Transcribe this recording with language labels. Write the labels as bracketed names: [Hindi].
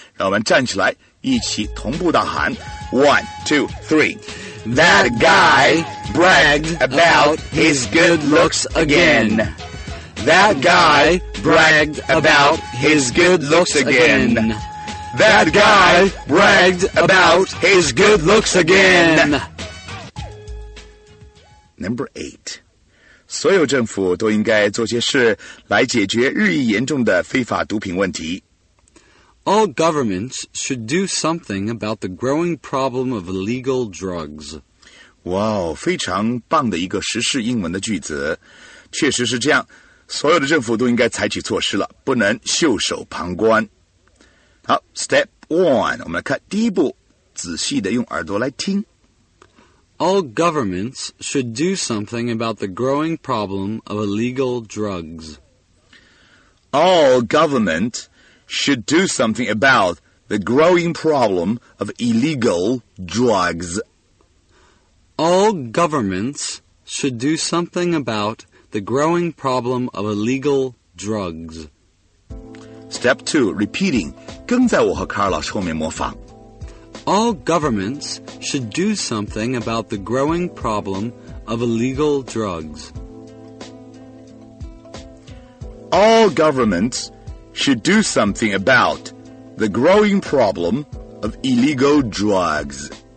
[Chinese] 让我们站起来，一起同步大喊 1, 2, 3. [English] That guy bragged about his good looks again. That guy bragged about his good looks again. That guy bragged about his good looks again. Number 8. [Chinese] 所有政府都应该做些事来解决日益严重的非法毒品问题。 [English] All governments should do something about the growing problem of illegal drugs. [Chinese] 哇哦，非常棒的一个时事英文的句子。确实是这样，所有的政府都应该采取措施了，不能袖手旁观。好 , [English] Step 1, [Chinese] 我们来看第一步，仔细的用耳朵来听。 [English] All governments should do something about the growing problem of illegal drugs. All governments should do something about the growing problem of illegal drugs. All governments should do something about the growing problem of illegal drugs. Step 2, repeating. [Chinese] 跟在我和卡尔老师后面模仿。 [English] All governments should do something about the growing problem of illegal drugs. All governments should do something about the growing problem of illegal drugs.